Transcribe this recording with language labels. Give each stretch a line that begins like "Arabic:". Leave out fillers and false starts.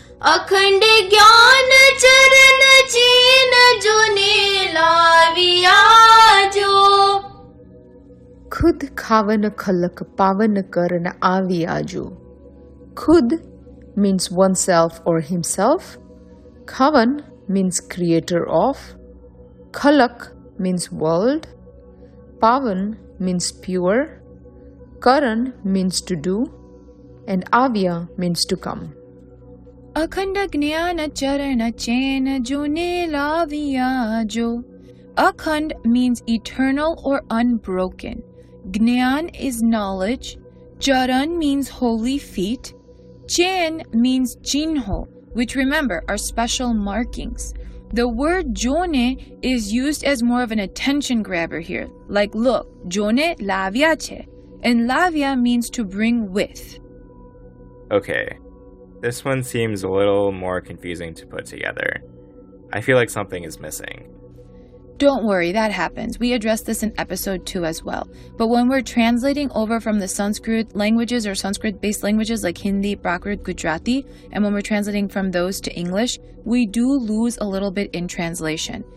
Sindhi: अखंड ज्ञान चरण चीन जो नीलावियाजो खुद खावन खलक पावन करन आवियाजो
English: खुद means oneself or himself खावन means creator of खलक means world पावन means pure करन means to do and आविया means to come
Sindhi: अखंड ज्ञान चरण चैन जो ने लाविया जो अखंड
English: means eternal or unbroken. ज्ञान is knowledge. चरण means holy feet. चैन means चिन्हो, which remember are special markings. The word जोने is used as more of an attention grabber here. Like look,
Gujarati: जोने लाविया छे.
English: And लाविया means to bring with. Okay. This one seems a little more confusing to put together. I feel like something is missing. Don't worry, that happens. We addressed this in episode 2 as well. But when we're translating over from the Sanskrit languages or Sanskrit-based languages like Hindi, Prakrit, Gujarati, and when we're translating from those to English, we do lose a little bit in translation.